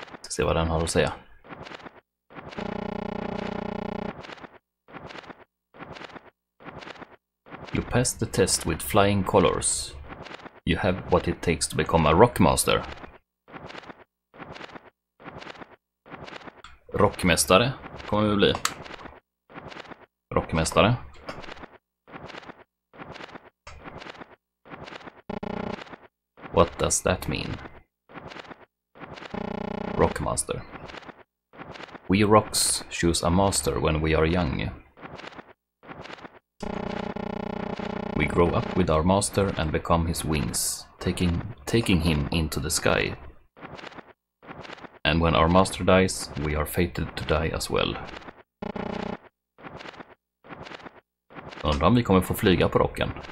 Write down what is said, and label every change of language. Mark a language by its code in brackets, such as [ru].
[sv] Se vad den har att säga. [en] You passed the test with flying colors. You have what it takes to become a rockmaster. [sv] Rockmästare kommer vi bli. Rockmästare. [en] What does that mean? Rockmaster. We rocks choose a master when we are young. We grow up with our master and become his wings, taking him into the sky. And when our master dies, we are fated to die as well. [sv] Undrar om vi kommer få flyga på rocken.